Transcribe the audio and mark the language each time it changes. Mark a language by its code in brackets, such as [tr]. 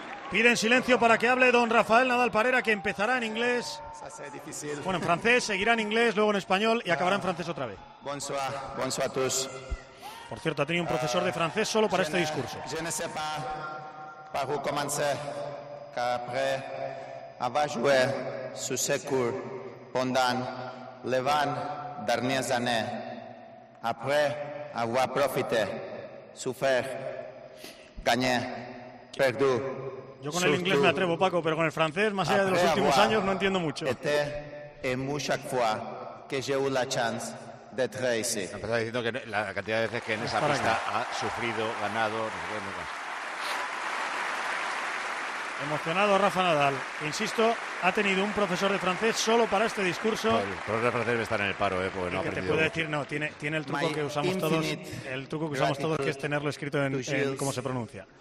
[es] Piden silencio para que hable don Rafael Nadal Parera, que empezará en inglés. Bueno, en francés, seguirá en inglés, luego en español y acabará en francés otra vez. [fr] Bonsoir, bonsoir a tous. [es] Por cierto, ha tenido un profesor de francés solo para este discurso. [fr] Je ne sais pas par où commencer, car après avoir joué sous ce court pendant les 20 dernières années, après avoir profité, souffert, gagné, perdu. [es] Yo con el inglés me atrevo, Paco, pero con el francés, más allá de los últimos años, no entiendo mucho. [fr] Été et muchas fois que j'ai eu la chance d'être ici. [es] Empezaba diciendo que la cantidad de veces que en esa pista acá ha sufrido, ganado, no sé qué, no sé qué. Emocionado Rafa Nadal. Insisto, ha tenido un profesor de francés solo para este discurso. El profesor de francés debe estar en el paro, porque no ha aprendido. Te puede decir, no, tiene el truco que usamos todos. El truco que usamos todos, que es tenerlo escrito en cómo se pronuncia.